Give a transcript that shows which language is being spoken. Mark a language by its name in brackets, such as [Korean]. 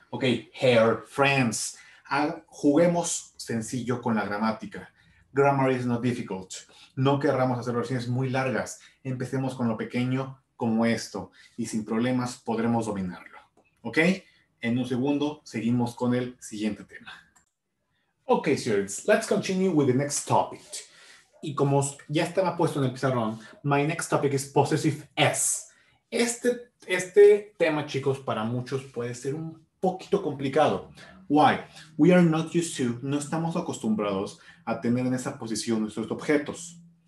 [English] Ok, her friends. [Spanish] Juguemos sencillo con la gramática. [English] Grammar is not difficult. [Spanish] No querramos hacer oraciones muy largas. Empecemos con lo pequeño como esto y sin problemas podremos dominarlo. ¿Ok? En un segundo seguimos con el siguiente tema. [English] Ok, students, let's continue with the next topic. [Spanish] Y como ya estaba puesto en el pizarrón, [English] my next topic is possessive s. [Spanish] Este tema, chicos, para muchos puede ser un poquito complicado. [English] Why? We are not used to, [Spanish] no estamos acostumbrados a tener en esa posición nuestros objetos.